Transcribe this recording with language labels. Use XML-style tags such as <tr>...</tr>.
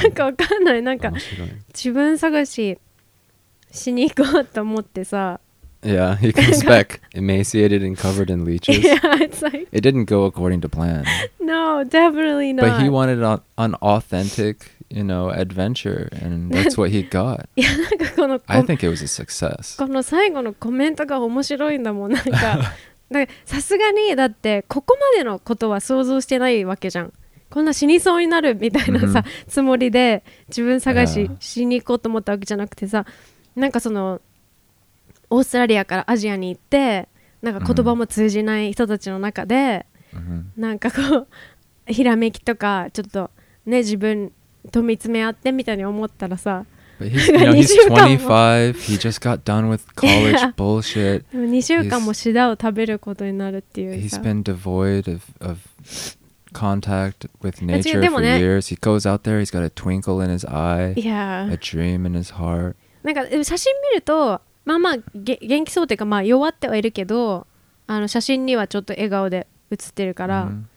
<ja>なんかわかんないなんか自分探ししに行こうと思ってさ</ja> <en>Yeah, he comes back emaciated and covered in leeches Yeah, it's like It didn't go according to plan No, definitely not But he wanted an authentic, you know, adventure, and that's what he got. I think it was a success.</en> <ja>この最後のコメントが面白いんだもん、なんか。だからさすがにだってここまでのことは想像してないわけじゃん。こんな死にそうになるみたいなさ、mm-hmm. つもりで自分探し、yeah. しに行こうと思ったわけじゃなくてさ、なんかそのオーストラリアからアジアに行って、なんか言葉も通じない人たちの中で、 mm-hmm. なんかこうひらめきとかちょっとね自分と見つめ合ってみたいに思ったらさ、</ja> <en>he just got done with college bullshit.</en> <ja>2週間もシダを食べることになるっていうさ。</ja> <en>He's been devoid of contact with nature for years. He goes out there, he's got a twinkle in his eye, yeah. a dream in his heart.</en> <ja>なんか写真見るとまあまあ元気そうっていうか、まあ弱ってはいるけど、あの写真にはちょっと笑顔で写ってるから、mm-hmm.</ja>